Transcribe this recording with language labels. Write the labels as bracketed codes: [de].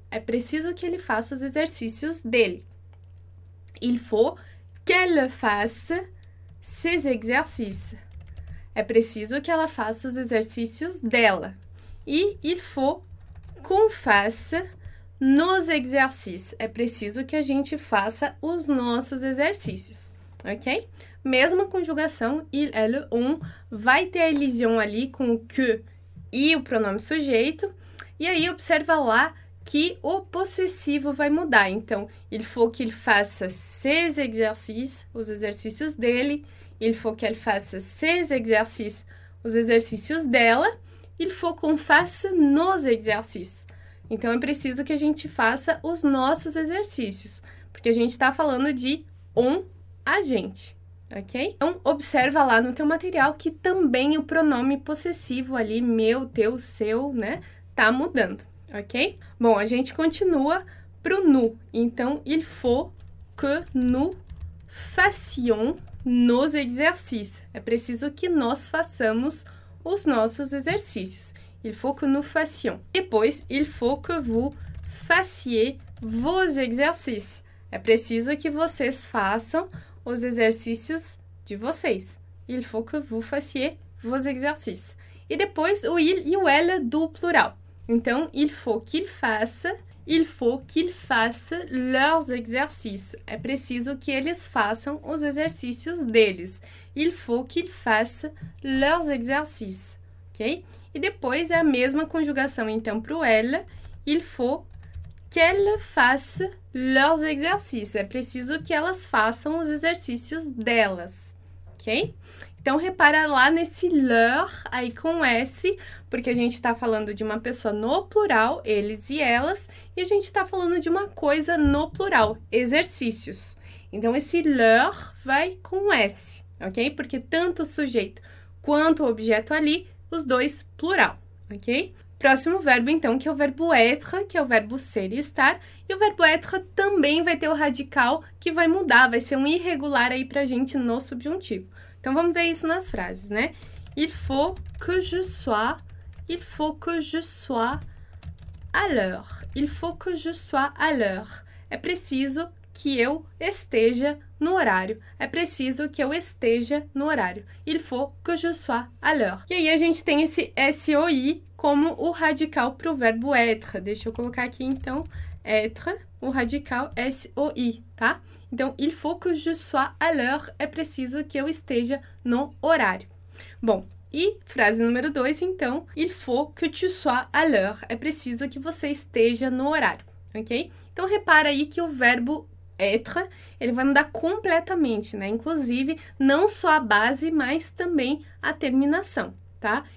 [pt] É preciso que ele faça os exercícios dele. [fr] Il faut qu'elle fasse ses exercices. [pt] É preciso que ela faça os exercícios dela. E [fr] il faut qu'on fasse nos exercices. [pt] É preciso que a gente faça os nossos exercícios, ok? Mesma conjugação, il, elle, on, vai ter a elision ali com o que e o pronome sujeito. E aí, observa lá que o possessivo vai mudar. Então, [fr] il faut qu'il fasse ses exercices, [pt] os exercícios dele. [fr] Il faut qu'elle fasse ses exercices, [pt] os exercícios dela. [fr] Il faut qu'on fasse nos exercices. [pt] Então, é preciso que a gente faça os nossos exercícios, porque a gente está falando de on, a gente. Ok? Então, observa lá no teu material que também o pronome possessivo ali, meu, teu, seu, né, tá mudando, ok? Bom, a gente continua pro nous. Então, [fr] il faut que nous fassions nos exercices. [pt] É preciso que nós façamos os nossos exercícios. [fr] Il faut que nous fassions. [pt] Depois, [fr] il faut que vous fassiez vos exercices. [pt] É preciso que vocês façam os exercícios de vocês. [fr] Il faut que vous fassiez vos exercices. [pt] E depois o il e o elle do plural. Então, [fr] il faut qu'ils fassent leurs exercices. [pt] É preciso que eles façam os exercícios deles. [fr] Il faut qu'ils fassent leurs exercices. [pt] Ok? E depois é a mesma conjugação então para o elle. [fr] Il faut qu'elle fasse leurs exercices. [pt] É preciso que elas façam os exercícios delas, ok? Então, repara lá nesse leur aí com S, porque a gente está falando de uma pessoa no plural, eles e elas, e a gente está falando de uma coisa no plural, exercícios. Então, esse leur vai com S, ok? Porque tanto o sujeito quanto o objeto ali, os dois plural, ok? Próximo verbo, então, que é o verbo être, que é o verbo ser e estar. E o verbo être também vai ter o radical que vai mudar, vai ser um irregular aí pra gente no subjuntivo. Então, vamos ver isso nas frases, né? [fr] Il faut que je sois à l'heure. Il faut que je sois à l'heure. [pt] É preciso que eu esteja no horário. É preciso que eu esteja no horário. [fr] Il faut que je sois à l'heure. [pt] E aí, a gente tem esse SOI como o radical para o verbo être. Deixa eu colocar aqui, então, être, o radical SOI, tá? Então, [fr] il faut que je sois à l'heure. [pt] É preciso que eu esteja no horário. Bom, e frase número 2, então, [fr] il faut que tu sois à l'heure. [pt] É preciso que você esteja no horário, ok? Então, repara aí que o verbo être, ele vai mudar completamente, né? Inclusive, não só a base, mas também a terminação, tá?